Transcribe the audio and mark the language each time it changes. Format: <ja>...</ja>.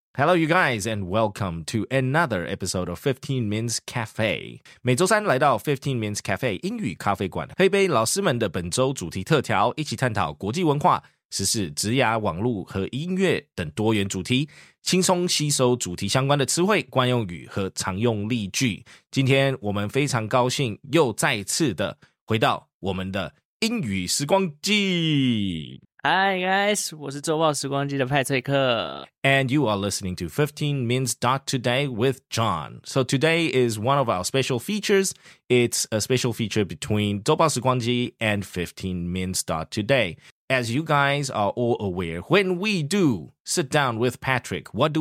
<en>Hello, you guys, and welcome to another episode of 15Mins Cafe.</en> <zh>每周三来到 15Mins Cafe 英语咖啡馆，喝一杯老师们的本周主题特调，一起探讨国际文化、时事、职涯、网络和音乐等多元主题，轻松吸收主题相关的词汇、惯用语和常用例句。今天我们非常高兴又再次的回到我们的英语时光机。</zh> <en>Hi guys,</en> <zh>我是周报时光机的派翠克。</zh> <en>And you are listening to 15Mins.today with John. So today is one of our special features. It's a special feature between 周报时光机 and 15Mins.today. As you guys are all aware, when we do sit down with Patrick, what do?</en>